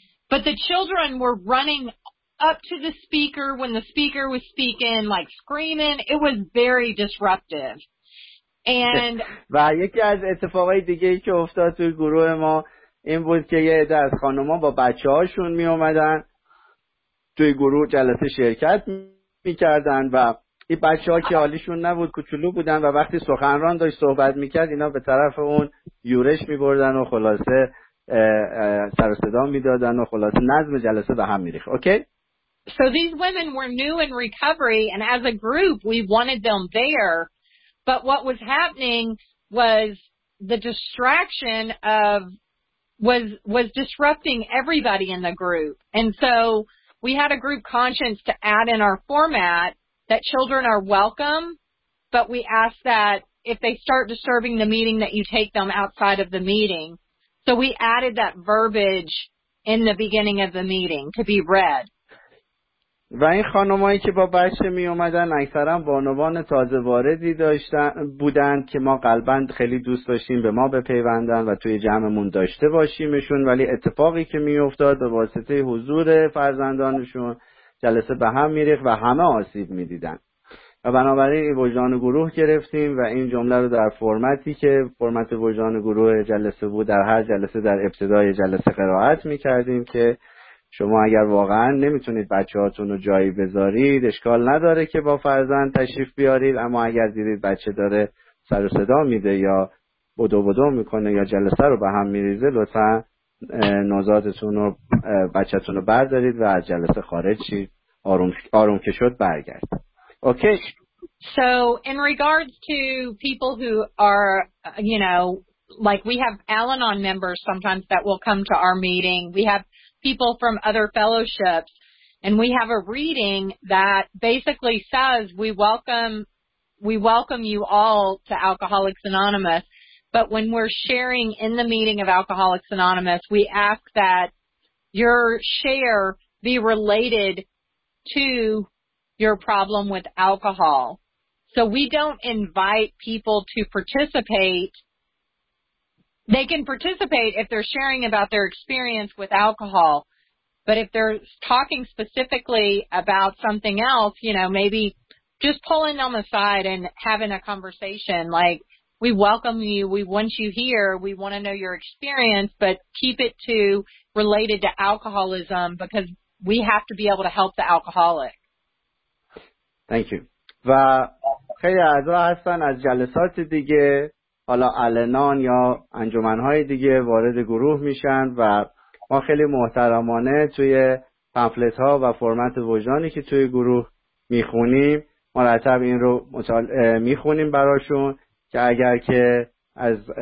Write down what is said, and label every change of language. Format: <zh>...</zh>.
<en>But the children were running up to the speaker when the speaker was speaking, like screaming. It was very disruptive. And</en> <fa>و یکی از اتفاقای دیگه ای که افتاد توی گروه ما این بود که یه عده از خانوما با بچه هاشون می اومدن توی گروه جلسه شرکت می کردن و این بچه ها که حالیشون نبود کوچولو بودن و وقتی سخنران داشت صحبت می کرد اینا به طرف اون یورش می بردن و خلاصه سر و صدا می دادن و خلاصه نظم جلسه به هم می ریخت. اوکی؟</fa> <en>So these women were new in recovery, and as a group we wanted them there, but what was happening was the distraction of was disrupting everybody in the group. And so we had a group conscience to add in our format that children are welcome, but we ask that if they start disturbing the meeting that you take them outside of the meeting. So we added that verbiage in the beginning of the meeting to be read.</en> <fa>و این خانمایی که با بچه می اومدن اکثرا بانوان تازه واردی داشتن بودن که ما قلبا خیلی دوست داشتیم به ما بپیوندن و توی جمعمون داشته باشیمشون، ولی اتفاقی که می افتاد به واسطه حضور فرزندانشون جلسه به هم می ریخت و همه آسیب می دیدن. و بنابراین وجدان گروه گرفتیم و این جمله رو در فرمتی که فرمت وجدان گروه جلسه بود در هر جلسه در ابتدای جلسه قرائت می کردیم که شما اگر واقعا نمیتونید بچه هاتون رو جایی بذارید اشکال نداره که با فرزند تشریف بیارید، اما اگر دیدید بچه داره سر و صدا میده یا بدو بدو میکنه یا جلسه رو به هم میریزه، لطفا نوزادتون رو بچه‌تون رو بردارید و از جلسه خارج شید، آروم که شد برگرد. اوکی.</fa> <en>So in regards to people who are, you know, like we have Al-Anon members sometimes that will come to our meeting. We have people from other fellowships, and we have a reading that basically says we welcome you all to Alcoholics Anonymous, but when we're sharing in the meeting of Alcoholics Anonymous, we ask that your share be related to your problem with alcohol. So we don't invite people to participate. They can participate if they're sharing about their experience with alcohol. But if they're talking specifically about something else, you know, maybe just pulling them aside and having a conversation. Like, we welcome you. We want you here. We want to know your experience. But keep it to related to alcoholism, because we have to be able to help the alcoholic. Thank you.</en> <fa>و خیلی اعضا هستن از جلسات دیگه، حالا النان یا انجمنهای دیگه وارد گروه میشن و ما خیلی محترمانه توی پمفلت ها و فرمت وجدانی که توی گروه میخونیم مرتب این رو میخونیم براشون که اگر که از</fa>